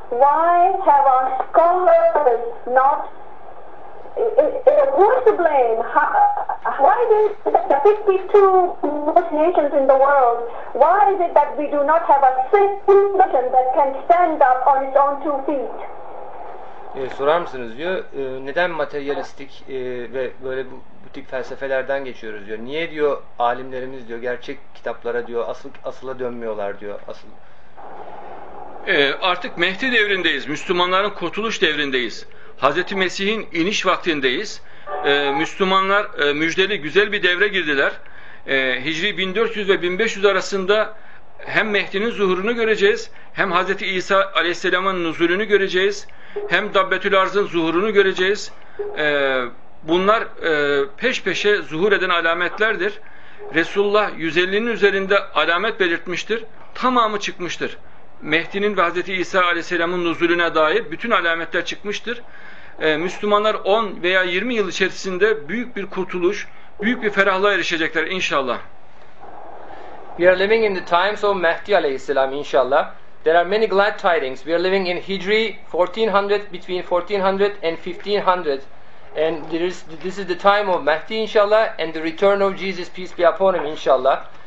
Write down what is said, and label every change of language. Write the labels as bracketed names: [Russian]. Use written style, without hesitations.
[English] Why have our scholars not... Who's to blame? Why is it that the 52 most nations in the world, why is it that we do not have a single nation that can stand up on its own two feet? [Turkish] Sorar mısınız diyor, neden materyalistik ve böyle bu tip felsefelerden geçiyoruz diyor. Niye diyor alimlerimiz diyor gerçek kitaplara diyor asıla dönmüyorlar diyor asıl. Artık Mehdi devrindeyiz, Müslümanların kurtuluş devrindeyiz. Hazreti Mesih'in iniş vaktindeyiz. Müslümanlar müjdeli güzel bir devre girdiler. Hicri 1400 ve 1500 arasında hem Mehdi'nin zuhurunu göreceğiz, hem Hazreti İsa Aleyhisselam'ın nüzulünü göreceğiz, hem Dabbetül Arz'ın zuhurunu göreceğiz. Bunlar peş peşe zuhur eden alametlerdir. Resulullah 150'nin üzerinde alamet belirtmiştir. Tamamı çıkmıştır. Mehdi'nin ve Hazreti İsa Aleyhisselam'ın nüzulüne dair bütün alametler çıkmıştır. Müslümanlar 10 veya 20 yıl içerisinde büyük bir kurtuluş, büyük bir ferahlığa erişecekler inşallah. [English] We are living in the times of Mehdi Aleyhisselam inshallah. There are many glad tidings. We are living in Hijri 1400, between 1400 and 1500. And this is the time of Mehdi inshallah and the return of Jesus, peace be upon him inshallah.